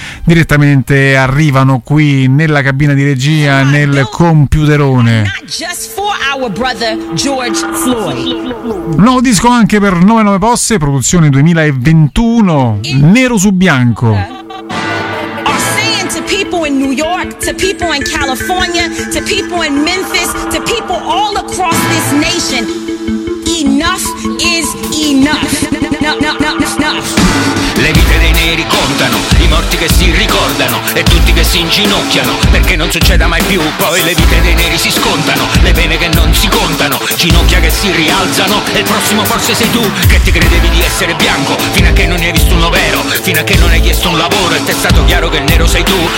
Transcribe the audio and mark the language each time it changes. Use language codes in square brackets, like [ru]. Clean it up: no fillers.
[it] Direttamente arrivano qui nella cabina di regia, nel computerone. Nuovo disco anche per 99 Posse, produzione 2021, Nero su Bianco. [en] People in New York, to people in California, to people in Memphis, to people all across this nation, enough is is enough. [it] Le vite dei neri contano, i morti che si ricordano e tutti che si inginocchiano, perché non succeda mai più. Poi le vite dei neri si scontano, le pene che non si contano, ginocchia che si rialzano, e il prossimo forse sei tu, che ti credevi di essere bianco, fino a che non hai visto uno vero, fino a che non hai chiesto un lavoro e ti è stato chiaro che il nero sei tu.